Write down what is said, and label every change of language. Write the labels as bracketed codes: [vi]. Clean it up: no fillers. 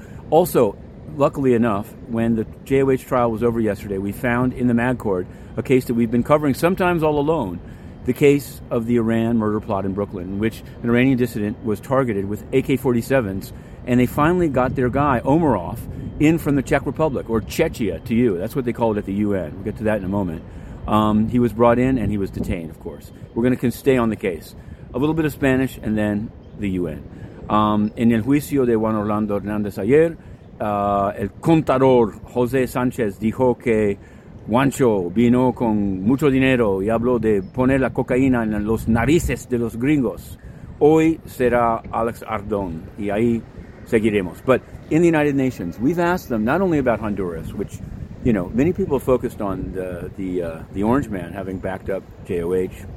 [en] Also, luckily enough, when the JOH trial was over yesterday, we found in the mag court a case that we've been covering sometimes all alone, the case of the Iran murder plot in Brooklyn, in which an Iranian dissident was targeted with AK-47s, and they finally got their guy, Omarov, in from the Czech Republic, or Chechia to you. That's what they call it at the UN. We'll get to that in a moment. He was brought in, and he was detained, of course. We're going to stay on the case. A little bit of Spanish, and then the UN. [es] En el juicio de Juan Orlando Hernández ayer, el contador José Sánchez dijo que Juancho vino con mucho dinero y habló de poner la cocaína en los narices de los gringos. Hoy será Alex Ardón, y ahí seguiremos. [en] But in the United Nations, we've asked them not only about Honduras, which, you know, many people focused on the orange man having backed up J.O.H.